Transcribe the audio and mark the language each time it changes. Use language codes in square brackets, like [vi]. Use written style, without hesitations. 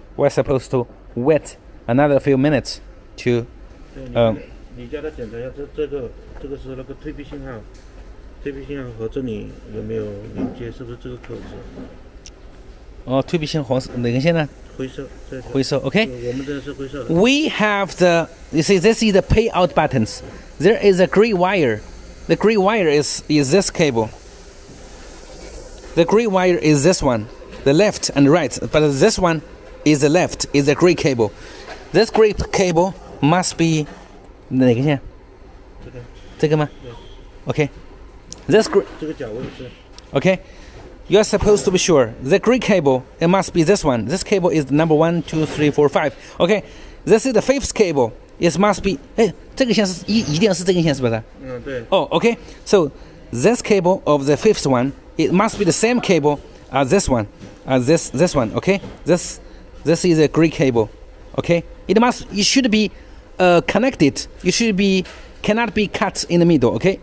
[en] We're supposed to wait another few minutes to. [zh] 对，你叫他检查一下，这个是那个退避信号，退避信号和这里有没有连接，是不是这个口子？哦，退避信黄色哪根线呢？灰色 [en] okay, [zh] 我们这是灰色的。 [en] We have the, you see, this is the payout buttons. There is a gray wire. The gray wire is this cable. The gray wire is this one, the left and right. But this one is the left, is the gray cable. This gray cable must be, [zh] 哪个线？这个吗？对。 [en] Okay. This gray, [zh] 这个脚位是。 [en] Okay. You are supposed to be sure. The green cable, it must be this one. This cable is number 1, 2, 3, 4, 5. Okay, this is the 5th cable. It must be... [zh] 哎，这个线是一定是这个线是不是？嗯，对。 [en] Oh, okay. So, this cable of the 5th one, it must be the same cable as this one. As this one, okay? This is a green cable, okay? It should be connected. Cannot be cut in the middle, okay?